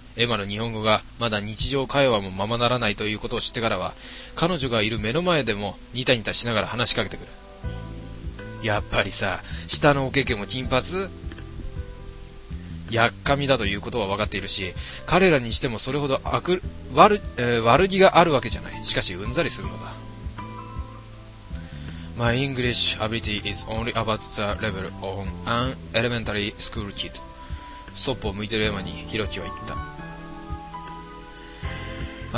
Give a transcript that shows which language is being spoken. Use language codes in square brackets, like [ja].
[ja] エマの日本語がまだ日常会話もままならないということを知ってからは、彼女がいる目の前でもニタニタしながら話しかけてくる。やっぱりさ、下のおけけも金髪？やっかみだということは分かっているし、彼らにしてもそれほど悪気があるわけじゃない。しかしうんざりするのだ。 [en] My English ability is only about the level of an elementary school kid。 [ja] そっぽを向いているエマにヒロキは言った。